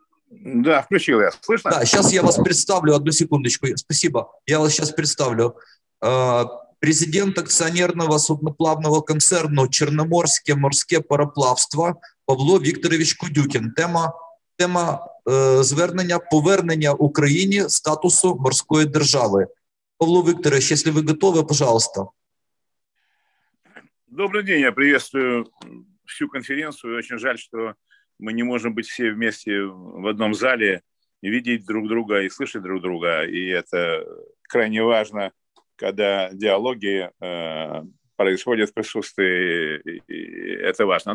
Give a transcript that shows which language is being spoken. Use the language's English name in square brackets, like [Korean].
[Russian] Да, включил я. Слышно? Да, сейчас я вас представлю. Одну секундочку. Спасибо. Я вас сейчас представлю. [Ukrainian] Президент акционерного судноплавного концерна «Черноморское морское пароплавство» Павло Викторович Кудюкин. Тема звернення повернення Україні статусу морської держави. [Russian] Павло Викторович, если вы готовы, пожалуйста. Добрый день. Я приветствую всю конференцию. Очень жаль, что мы не можем быть все вместе в одном зале, видеть друг друга и слышать друг друга, и это крайне важно, когда диалоги происходят в присутствии, и это важно.